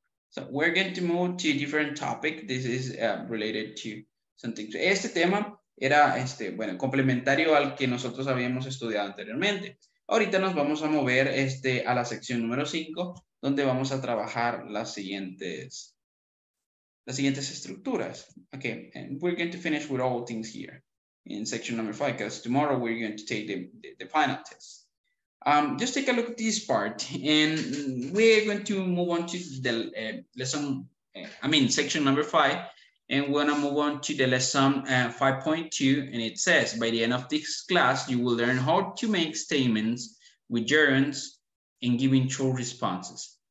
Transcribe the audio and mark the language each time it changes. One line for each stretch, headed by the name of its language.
English: So we're going to move to a different topic. This is related to something.
Spanish: Este tema era complementario al que nosotros habíamos estudiado anteriormente. Ahorita nos vamos a mover a la sección número 5, donde vamos a trabajar las siguientes estructuras.
English: Okay, and we're going to finish with all things here in section number 5, because tomorrow we're going to take the final test. Just take a look at this part, and we're going to move on to the section number 5, and we're gonna move on to the lesson 5.2, and it says, by the end of this class, you will learn how to make statements with gerunds and giving true responses.